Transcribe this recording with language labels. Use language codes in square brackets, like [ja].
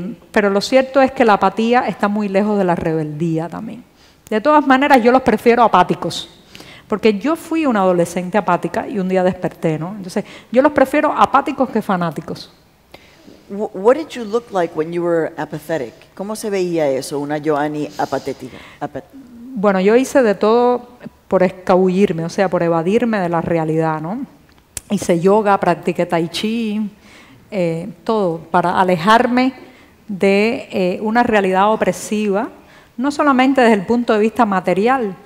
[es] Pero lo cierto es que la apatía está muy lejos de la rebeldía también. De todas maneras, yo los prefiero apáticos, porque yo fui una adolescente apática y un día desperté, ¿no? Entonces, yo los prefiero apáticos que fanáticos. [en] What did you look like when you were apathetic? [es] ¿Cómo se veía eso, una Yoani apatética? Bueno, yo hice de todo por escabullirme, o sea, por evadirme de la realidad, ¿no? Hice yoga, practiqué tai chi, todo para alejarme de una realidad opresiva, no solamente desde el punto de vista material.